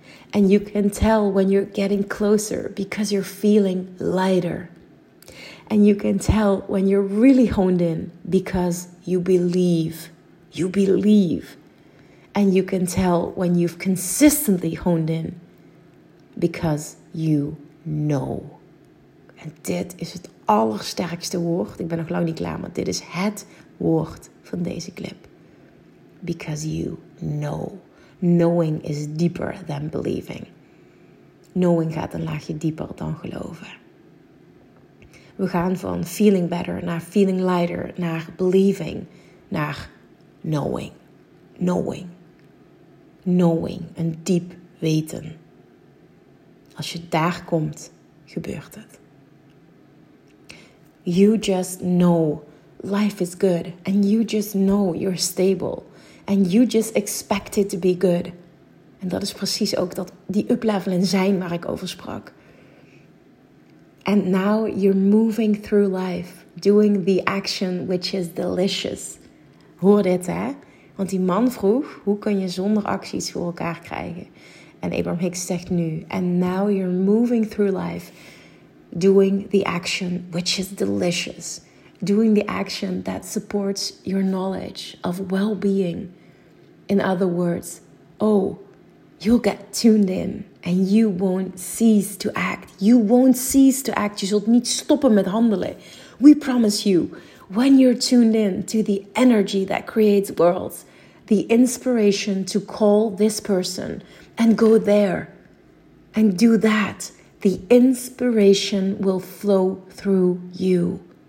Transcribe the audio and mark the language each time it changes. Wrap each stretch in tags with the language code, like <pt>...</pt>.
<en>And you can tell when you're getting closer because you're feeling lighter. And you can tell when you're really honed in because you believe. You believe. And you can tell when you've consistently honed in. Because you know.</en> <nl>En dit is het allersterkste woord. Ik ben nog lang niet klaar, maar dit is het woord van deze clip.</nl> <en>Because you know. Knowing is deeper than believing.</en> <nl>Knowing gaat een laagje dieper dan geloven. We gaan van</nl> <en>feeling better</en> <nl>naar</nl> <en>feeling lighter.</en> <nl>Naar</nl> <en>believing.</en> <nl>Naar knowing. Knowing. Knowing, een diep weten. Als je daar komt, gebeurt het.</nl> <en>You just know life is good. And you just know you're stable. And you just expect it to be good.</en> <nl>En dat is precies ook dat die uplevelen zijn waar ik over sprak.</nl> <en>And now you're moving through life. Doing the action which is delicious.</en> <nl>Hoor dit, hè? Want die man vroeg, hoe kun je zonder acties voor elkaar krijgen? En Abraham Hicks zegt nu,</nl> <en>and now you're moving through life, doing the action which is delicious. Doing the action that supports your knowledge of well-being. In other words, oh, you'll get tuned in. And you won't cease to act. You won't cease to act.</en> <nl>Je zult niet stoppen met handelen.</nl> <en>We promise you, when you're tuned in to the energy that creates worlds, the inspiration to call this person and go there and do that, the inspiration will flow through you.</en>